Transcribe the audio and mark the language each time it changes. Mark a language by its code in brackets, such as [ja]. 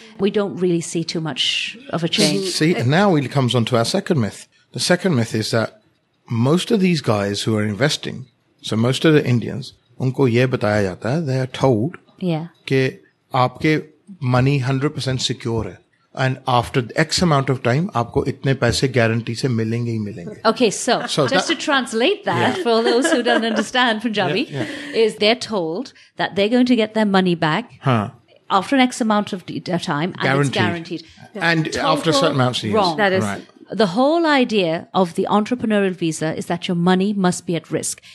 [en] We don't really see too much of a change. See, and now it comes on to our second myth. The second myth is that most of these guys who are investing, so most of the Indians, [hi] उनको ये बताया जाता है, [en] they are told [hi] के आपके [en] money 100% secure है. And after X amount of time, [hi] आपको इतने पैसे गारंटी से मिलेंगे ही मिलेंगे. [en] Okay, so just to translate that for those who don't understand Punjabi, is they're told that they're going to get their money back after an X amount of time, and guaranteed. It's guaranteed. Yeah. And after certain amounts of years. Wrong. That is right. The whole idea of the entrepreneurial visa is that your money must be at risk.